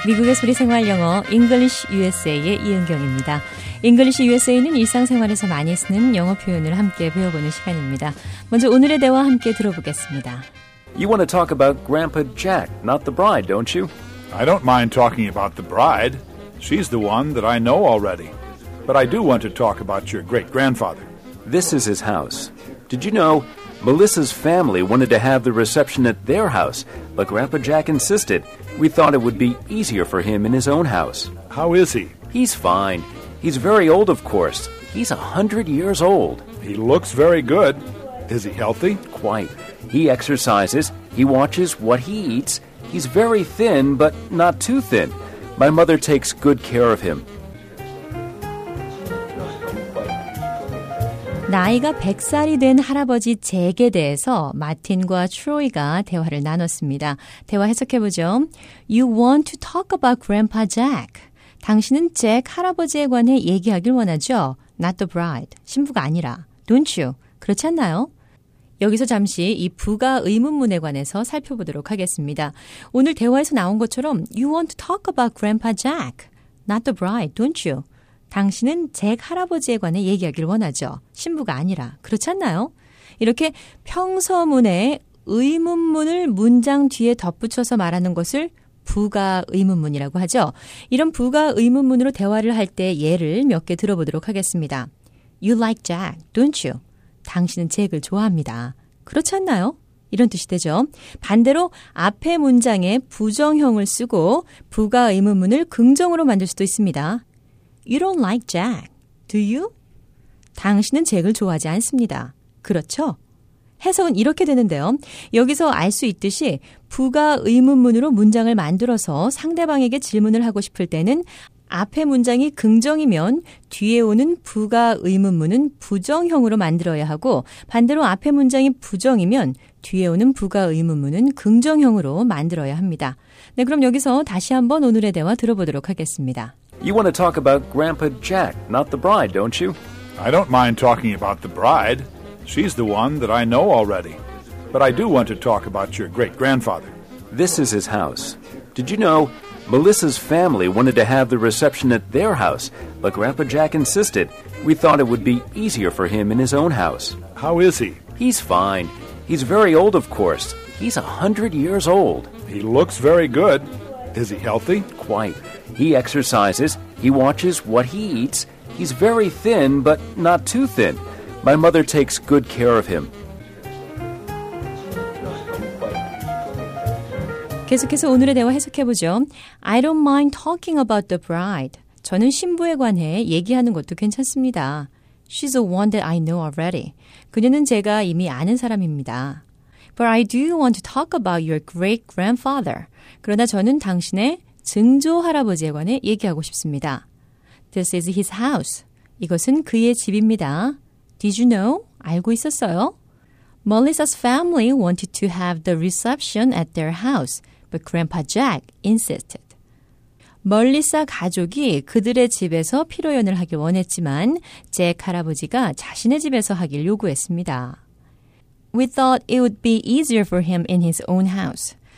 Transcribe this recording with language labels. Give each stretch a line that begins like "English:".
Korean: 미국의 소리 생활 영어 English USA의 이은경입니다. English USA는 일상생활에서 많이 쓰는 영어 표현을 함께 배워보는 시간입니다. 먼저 오늘의 대화 함께 들어보겠습니다.
English: You want to talk about Grandpa Jack, not the bride, don't you? I don't mind talking about the bride. She's the one that I know already. But I do want to talk about your great-grandfather. This is his house. Did you know Melissa's family wanted to have the reception at their house, but Grandpa Jack insisted. We thought it would be easier for him in his own house. How is he? He's fine. He's very old, of course. He's 100 years old. He looks very good. Is he healthy? Quite. He exercises. He watches what he eats. He's very thin, but not too thin. My mother takes good care of him.
Korean: 나이가 100살이 된 할아버지 잭에 대해서 마틴과 트로이가 대화를 나눴습니다. 대화 해석해보죠.
English: You want to talk about Grandpa Jack.
Korean: 당신은 잭 할아버지에 관해 얘기하길 원하죠.
English: Not the bride.
Korean: 신부가 아니라.
English: Don't you?
Korean: 그렇지 않나요? 여기서 잠시 이 부가 의문문에 관해서 살펴보도록 하겠습니다. 오늘 대화에서 나온 것처럼
English: You want to talk about Grandpa Jack. Not the bride. Don't you?
Korean: 당신은 잭 할아버지에 관해 얘기하길 원하죠. 신부가 아니라. 그렇지 않나요? 이렇게 평서문에 의문문을 문장 뒤에 덧붙여서 말하는 것을 부가 의문문이라고 하죠. 이런 부가 의문문으로 대화를 할 때 예를 몇 개 들어보도록 하겠습니다.
English: You like Jack, don't you?
Korean: 당신은 잭을 좋아합니다. 그렇지 않나요? 이런 뜻이 되죠. 반대로 앞에 문장에 부정형을 쓰고 부가 의문문을 긍정으로 만들 수도 있습니다.
English: You don't like Jack, do you?
Korean: 당신은 잭을 좋아하지 않습니다. 그렇죠? 해석은 이렇게 되는데요. 여기서 알 수 있듯이 부가 의문문으로 문장을 만들어서 상대방에게 질문을 하고 싶을 때는 앞에 문장이 긍정이면 뒤에 오는 부가 의문문은 부정형으로 만들어야 하고 반대로 앞에 문장이 부정이면 뒤에 오는 부가 의문문은 긍정형으로 만들어야 합니다. 네, 그럼 여기서 다시 한번 오늘의 대화 들어보도록 하겠습니다.
English: You want to talk about Grandpa Jack, not the bride, don't you? I don't mind talking about the bride. She's the one that I know already. But I do want to talk about your great-grandfather. This is his house. Did you know Melissa's family wanted to have the reception at their house, but Grandpa Jack insisted. We thought it would be easier for him in his own house. How is he? He's fine. He's very old, of course. He's 100 years old. He looks very good. Is he healthy? Quite. He exercises. He watches what he eats. He's very thin, but not too thin. My mother takes good care of him.
Korean: 계속해서 오늘의 대화 해석해보죠.
English: I don't mind talking about the bride.
Korean: 저는 신부에 관해 얘기하는 것도 괜찮습니다.
English: She's the one that I know already.
Korean: 그녀는 제가 이미 아는 사람입니다.
English: But I do want to talk about your great-grandfather.
Korean: 그러나 저는 당신의 증조할아버지에 관해 얘기하고 싶습니다.
English: This is his house.
Korean: 이것은 그의 집입니다.
English: Did you know?
Korean: 알고 있었어요?
English: Melissa's family wanted to have the reception at their house, but Grandpa Jack insisted.
Korean: Melissa 가족이 그들의 집에서 피로연을 하길 원했지만 잭 할아버지가 자신의 집에서 하길 요구했습니다.
English: We thought it would be easier for him in his own house.